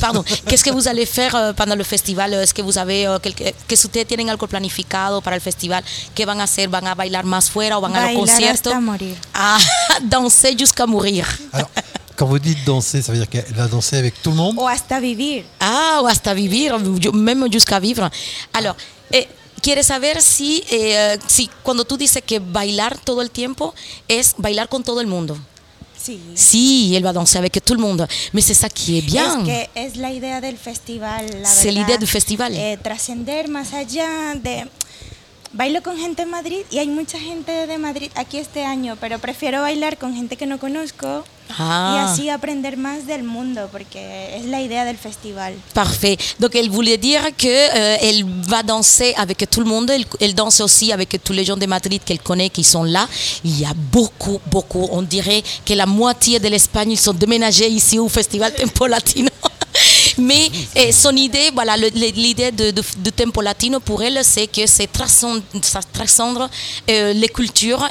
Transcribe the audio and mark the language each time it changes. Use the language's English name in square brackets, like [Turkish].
[French] Pardon, qu'est-ce que vous allez faire pendant le festival? Est-ce que vous avez quelque chose planifié pour le festival? Qu'est-ce que vous allez faire? Vous allez [Spanish] bailar más fuera [French] ou vous allez au concert? [Spanish] Bailar hasta morir. [French] Ah, danser jusqu'à mourir. Alors, quand vous dites danser, ça veut dire qu'elle va danser avec tout le monde? [Spanish] Ou hasta vivir. [French] Ah, ou [Spanish] hasta vivir, [French] même jusqu'à vivre. [Spanish] Alors, quiere saber si, si cuando tú dices que bailar todo el tiempo es bailar con todo el mundo. Sí. Sí, [French] elle va danser avec tout le monde. Mais c'est ça qui est bien. [Spanish] Es que es la idea del festival, la verdad. [French] C'est l'idée du festival. [Spanish] Trascender más allá de... Bailo con gente en Madrid y hay mucha gente de Madrid aquí este año, pero prefiero bailar con gente que no conozco ah. y así aprender más del mundo, porque es la idea del festival. [French] Parfait. Donc elle voulait dire qu'elle va danser avec tout le monde, elle danse aussi avec tous les gens de Madrid qu'elle connaît, qui sont là. Il y a beaucoup, beaucoup, on dirait que la moitié de l'Espagne, ils sont déménagés ici au Festival Tempo Latino. Mais son idée, voilà, l'idée de Tempo Latino pour elle, c'est que c'est transcendre les cultures.